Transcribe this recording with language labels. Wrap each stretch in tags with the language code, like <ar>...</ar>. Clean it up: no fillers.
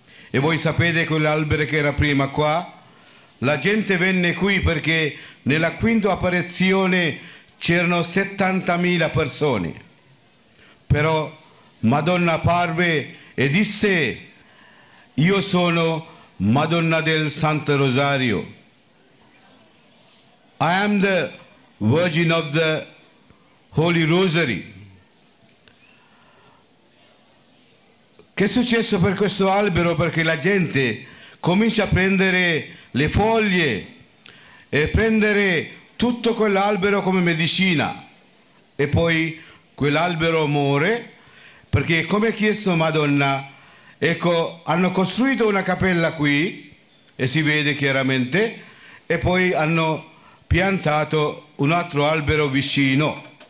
<it>E voi sapete quell'albero che era prima qua? La gente venne qui perché nella quinta apparizione c'erano 70.000 persone. Però Madonna apparve e disse: io sono Madonna del Santo Rosario.</it> <en>I am the Virgin of the Holy Rosary.</en> <it>Che è successo per questo albero? Perché la gente comincia a prendere le foglie e prendere tutto quell'albero come medicina e poi quell'albero muore, perché come ha chiesto Madonna, ecco, hanno costruito una cappella qui e si vede chiaramente e poi hanno piantato un altro albero vicino.</it>